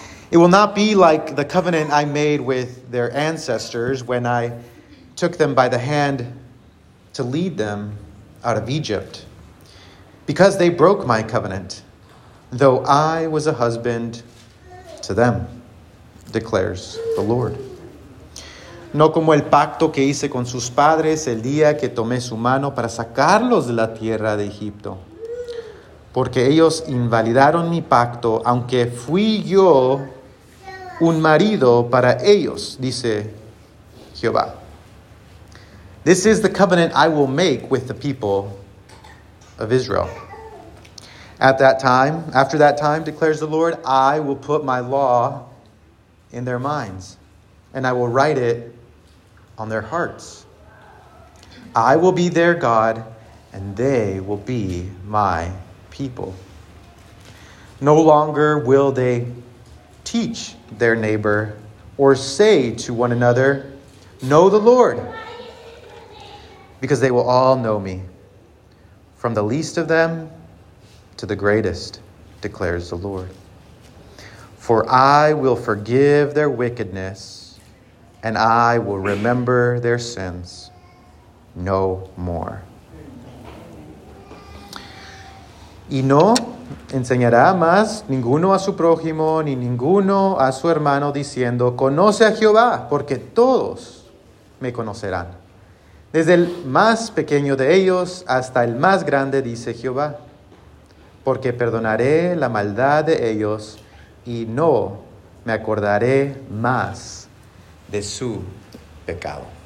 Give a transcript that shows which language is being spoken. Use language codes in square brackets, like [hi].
[en] It will not be like the covenant I made with their ancestors when I took them by the hand to lead them out of Egypt, because they broke my covenant, though I was a husband to them, declares the Lord. [es] No como el pacto que hice con sus padres el día que tomé su mano para sacarlos de la tierra de Egipto, porque ellos invalidaron mi pacto, aunque fui yo un marido para ellos, dice Jehová. [en] This is the covenant I will make with the people of Israel. After that time, declares the Lord, I will put my law in their minds, and I will write it on their hearts. I will be their God, and they will be my people. No longer will they teach their neighbor or say to one another, "Know the Lord," because they will all know me, from the least of them to the greatest, declares the Lord. For I will forgive their wickedness, and I will remember their sins no more. [es] Y no enseñará más ninguno a su prójimo, ni ninguno a su hermano, diciendo, conoce a Jehová, porque todos me conocerán. Desde el más pequeño de ellos hasta el más grande, dice Jehová, porque perdonaré la maldad de ellos y no me acordaré más de su pecado.